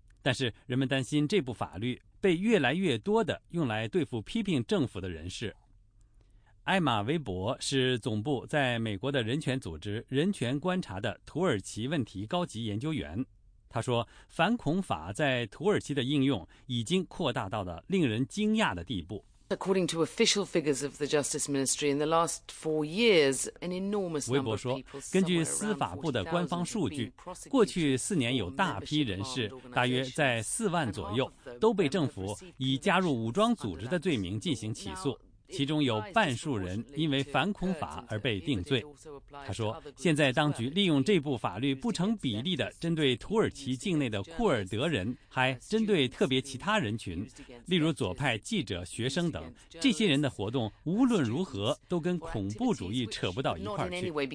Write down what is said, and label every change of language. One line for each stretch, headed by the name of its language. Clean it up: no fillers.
Chinese: 但是人们担心这部法律被越来越多的用来对付批评政府的人士。艾玛·韦伯是总部在美国的人权组织人权观察的土耳其问题高级研究员。他说，反恐法在土耳其的应用已经扩大到了令人惊讶的地步。
English: According to official figures of the Justice Ministry, in the last 4 years, an enormous number of people.
Chinese: 根据司法部的官方数据，过去4年有大批人士，大约在40,000左右，都被政府以加入武装组织的罪名进行起诉。其中有半数人因为反恐法而被定罪。他说，现在当局利用这部法律不成比例地针对土耳其境内的库尔德人，还针对特别其他人群，例如左派记者、学生等，这些人的活动无论如何都跟恐怖主义扯不到一块去。